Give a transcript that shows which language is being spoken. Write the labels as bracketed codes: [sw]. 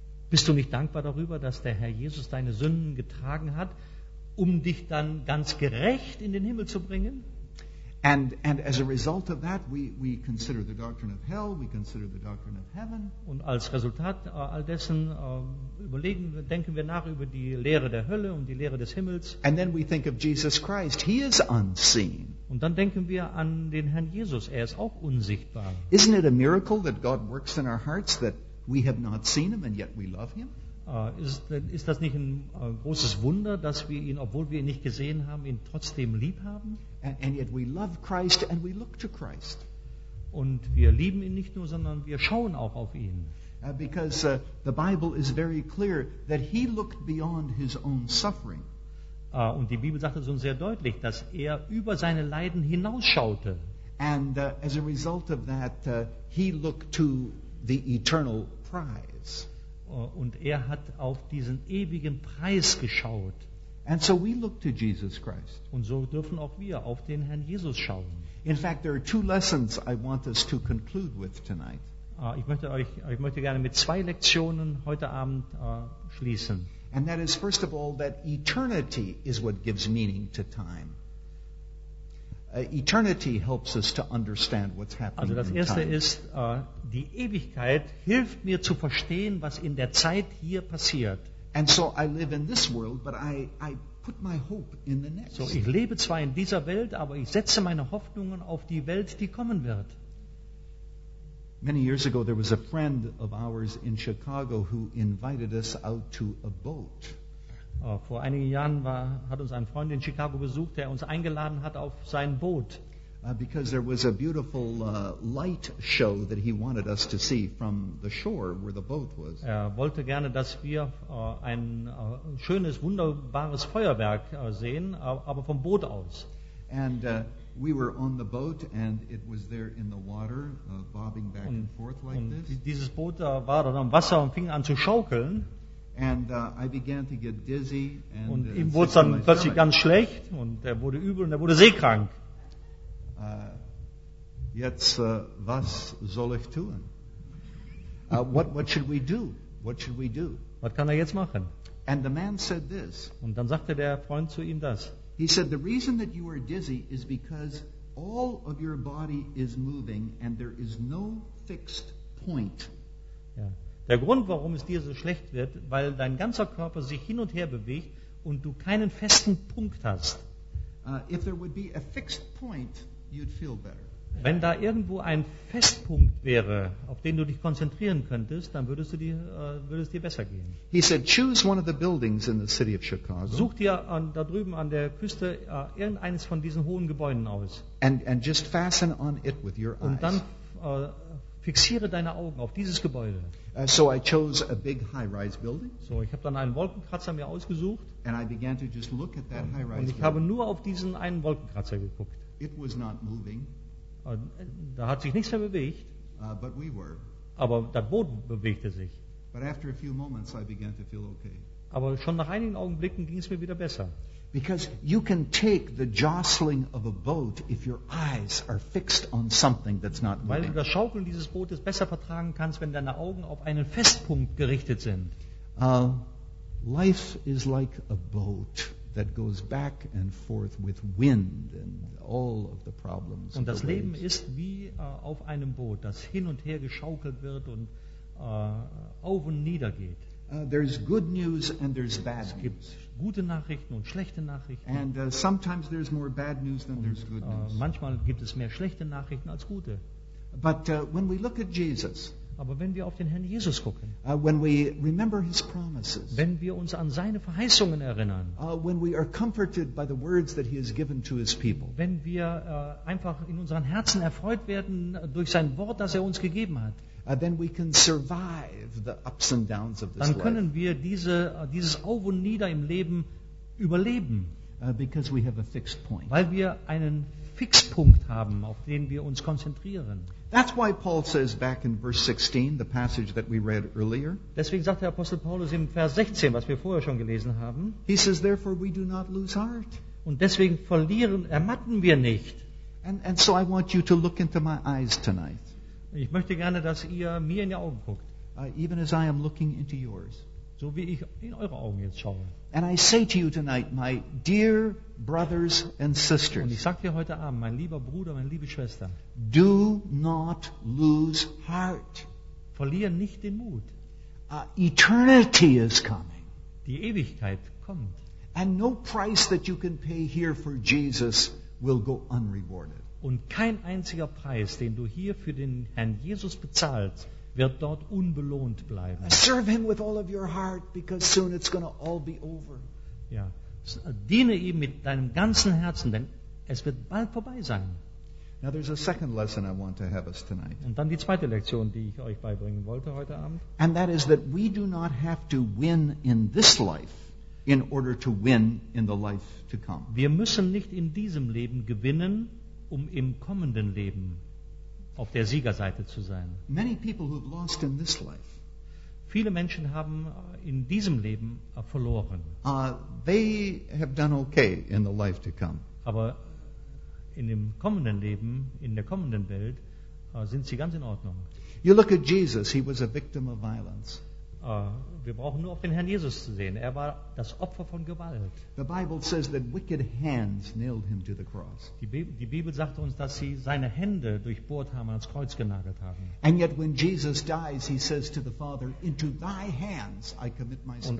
[de] Bist du nicht dankbar darüber, dass der Herr Jesus deine Sünden getragen hat, um dich dann ganz gerecht in den Himmel zu bringen? [en] And as a result of that, we consider the doctrine of hell, we consider the doctrine of heaven. [de] Und als Resultat all dessen denken wir nach über die Lehre der Hölle und die Lehre des Himmels. [en] And then we think of Jesus Christ. He is unseen. [de] Und dann denken wir an den Herrn Jesus. Er ist auch unsichtbar. [en] Isn't it a miracle that God works in our hearts that we have not seen him and yet we love him? [de] Ist das nicht ein großes Wunder, dass wir ihn, obwohl wir ihn nicht gesehen haben, ihn trotzdem lieb haben? [en] And yet we love Christ and we look to Christ. [de] Und wir lieben ihn nicht nur, sondern wir schauen auch auf ihn. [en] Because the Bible is very clear that he looked beyond his own suffering. [de] Und die Bibel sagt es uns sehr deutlich, dass er über seine Leiden hinausschaute. [en] And as a result of that, he looked to the eternal prize. [de] Und er hat auf diesen ewigen Preis geschaut. [en] And so we look to Jesus Christ. [de] Und so dürfen auch wir auf den Herrn Jesus schauen. [en] In fact, there are two lessons I want us to conclude with tonight. [de] Ich möchte gerne mit zwei Lektionen heute Abend schließen. [en] And that is, first of all, that eternity is what gives meaning to time. Eternity helps us to understand what's happening. [de] Also das erste ist, die Ewigkeit hilft mir zu verstehen, was in der Zeit hier passiert. [en] And so I live in this world, but I put my hope in the next. [de] So ich lebe zwar in dieser Welt, aber ich setze meine Hoffnungen auf die Welt, die kommen wird. [en] Many years ago there was a friend of ours in Chicago who invited us out to a boat. [de] Vor einigen Jahren hat uns ein Freund in Chicago besucht, der uns eingeladen hat auf sein Boot. [en] Because there was a beautiful light show that he wanted us to see from the shore where the boat was. [de] Er wollte gerne, dass wir ein schönes, wunderbares Feuerwerk sehen, aber vom Boot aus. [en] And we were on the boat and it was there in the water, bobbing back and forth like [de] und [en] this. [de] Und dieses Boot war dort am Wasser und fing an zu schaukeln. [en] And I began to get dizzy and [de] und ihm wurde dann plötzlich ganz schlecht und er wurde übel und er wurde seekrank. Jetzt was soll ich tun? [en] What should we do? [de] Was kann er jetzt machen? [en] And the man said this. [de] Und dann sagte der Freund zu ihm das. [en] He said, the reason that you are dizzy is because all of your body is moving and there is no fixed point. [de] Ja. Der Grund, warum es dir so schlecht wird, weil dein ganzer Körper sich hin und her bewegt und du keinen festen Punkt hast. [en] If there would be a fixed point, you'd feel better. [de] Wenn da irgendwo ein Festpunkt wäre, auf den du dich konzentrieren könntest, dann würdest dir besser gehen. [en] He said, choose one of the buildings in the city of Chicago. [de] Such dir da drüben an der Küste irgendeines von diesen hohen Gebäuden aus. [en] And just fasten on it with your eyes. [de] Und dann fixiere deine Augen auf dieses Gebäude. [en] So I chose a big high-rise building. [de] So, ich habe dann einen Wolkenkratzer mir ausgesucht. [en] And I began to just look at that high-rise building. [de] Und ich habe nur auf diesen einen Wolkenkratzer geguckt. [en] It was not moving. Da hat sich nichts mehr bewegt. But we were. [de] Aber der Boden bewegte sich. [en] But after a few moments I began to feel okay. [de] Aber schon nach einigen Augenblicken ging es mir wieder besser. [en] Because you can take the jostling of a boat if your eyes are fixed on something that's not moving. [de] Weil du das Schaukeln dieses Bootes besser vertragen kannst, wenn deine Augen auf einen Festpunkt gerichtet sind. [en] Life is like a boat that goes back and forth with wind and all of the problems. [de] Und das Leben ist wie auf einem Boot, das hin und her geschaukelt wird und auf und nieder geht. [en] There's good news and there's bad news. [de] Es gibt gute Nachrichten und schlechte Nachrichten. [en] And sometimes there's more bad news than there's good news. [de] Manchmal gibt es mehr schlechte Nachrichten als gute. [en] But when we look at Jesus, [de] aber wenn wir auf den Herrn Jesus gucken, [en] when we remember his promises, [de] wenn wir uns an seine Verheißungen erinnern, [en] when we are comforted by the words that he has given to his people, [de] wenn wir einfach in unseren Herzen erfreut werden durch sein Wort, das er uns gegeben hat, [en] then we can survive the ups and downs of this [de] dann können [en] life. [de] Wir dieses Auf und Nieder im Leben überleben, [en] because we have a fixed point. [de] Weil wir einen Fixpunkt haben, auf den wir uns konzentrieren. [en] That's why Paul says back in verse 16, the passage that we read earlier. [de] Deswegen sagt der Apostel Paulus im Vers 16, was wir vorher schon gelesen haben. [en] He says, therefore we do not lose heart. [de] Und deswegen ermatten wir nicht. [en] And so I want you to look into my eyes tonight. [de] Ich möchte gerne, dass ihr mir in die Augen guckt. [en] Even as I am looking into yours. [de] So wie ich in eure Augen jetzt schaue. [en] And I say to you tonight, my dear brothers and sisters. [de] Und ich sage dir heute Abend, mein lieber Bruder, meine liebe Schwester. [en] Do not lose heart. [de] Verlier nicht den Mut. [en] Eternity is coming. [de] Die Ewigkeit kommt. [en] And no price that you can pay here for Jesus will go unrewarded. [de] Und kein einziger Preis, den du hier für den Herrn Jesus bezahlst, wird dort unbelohnt bleiben. [en] Serve him with all of your heart, because soon it's going to all be over. [de] Ja, diene ihm mit deinem ganzen Herzen, denn es wird bald vorbei sein. [en] Now there's a second lesson I want to have us tonight. [de] Und dann die zweite Lektion, die ich euch beibringen wollte heute Abend. [en] And that is that we do not have to win in this life in order to win in the life to come. [de] Wir müssen nicht in diesem Leben gewinnen, um im kommenden Leben auf der Siegerseite zu sein. [en] Many people who have lost in this life. [de] Viele Menschen haben in diesem Leben verloren. [en] They have done okay in the life to come. [de] Aber in dem kommenden Leben, in der kommenden Welt, sind sie ganz in Ordnung. [en] You look at Jesus, he was a victim of violence. [de] Wir brauchen nur auf den Herrn Jesus zu sehen. Er war das Opfer von Gewalt. [en] The Bible says that wicked hands nailed him to the cross. [de] Die Bibel sagt uns, dass sie seine Hände durchbohrt haben und ans Kreuz genagelt haben. [en] And yet when Jesus dies, he says to the Father, into thy hands I commit my spirit.